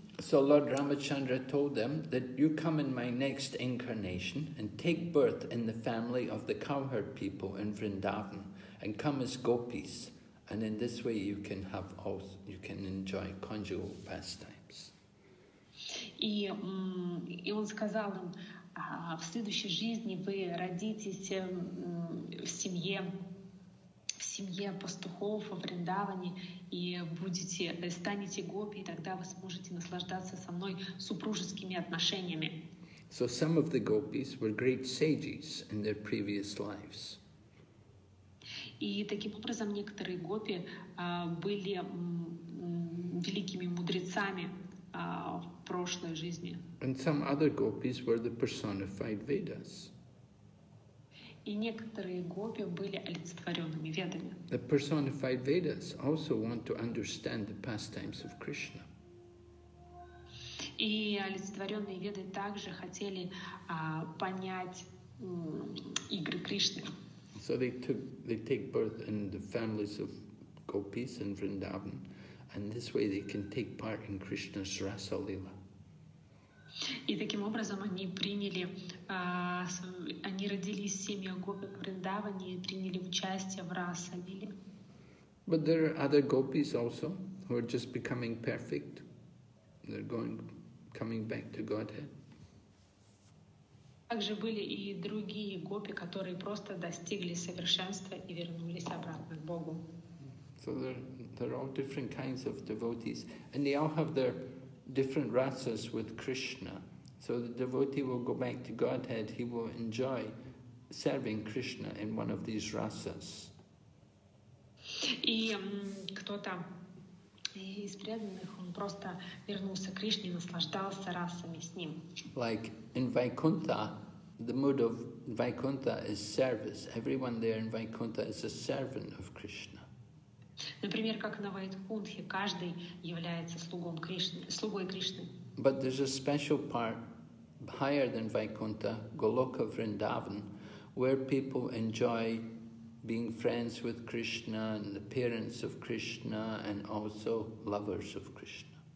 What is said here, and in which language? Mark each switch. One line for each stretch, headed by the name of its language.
English: So Lord Ramachandra told them that you come in my next incarnation and take birth in the family of the cowherd people in Vrindavan and come as gopis. And in this way, you can have all, you can enjoy conjugal pastimes.
Russian: И он сказал им, в следующей жизни вы родитесь в семье пастухов, в Вриндаване, и станете гопи, и тогда вы сможете наслаждаться со мной супружескими отношениями.
English: So some of the gopis were great sages in their previous lives.
Russian: И таким образом некоторые гопи были великими мудрецами в прошлой жизни.
English: And some other gopis were the personified Vedas.
Russian: И некоторые гопи были олицетворенными ведами.
English: The personified Vedas also want to understand the pastimes of Krishna.
Russian: И олицетворенные веды также хотели понять игры Кришны.
English: So they take birth in the families of gopis in Vrindavan, and this way they can take part in Krishna's Rasa Lila.
Russian: И таким образом они приняли, они родились в семье гопи Вриндавани и приняли участие в Раса-лиле.
English: But there are other gopis also who are just becoming perfect. They're coming back to Godhead.
Russian: Также были и другие гопи, которые просто достигли совершенства и вернулись обратно к Богу.
English: So there are all different kinds of devotees, and they all have their different rasas with Krishna. So the devotee will go back to Godhead, he will enjoy serving Krishna in one of these rasas.
Russian: И кто-то из преданных, он просто вернулся к Кришне и наслаждался расами с ним.
English: Like in Vaikuntha, the mood of Vaikuntha is service. Everyone there in Vaikuntha is a servant of Krishna.
Russian: Например, как на Вайкунтхе, каждый является слугом Кришны, слугой Кришны.
English: But there's a special part higher than Vaikuntha, Goloka Vrindavan, where people enjoy being friends with Krishna and the parents of Krishna and also lovers of Krishna.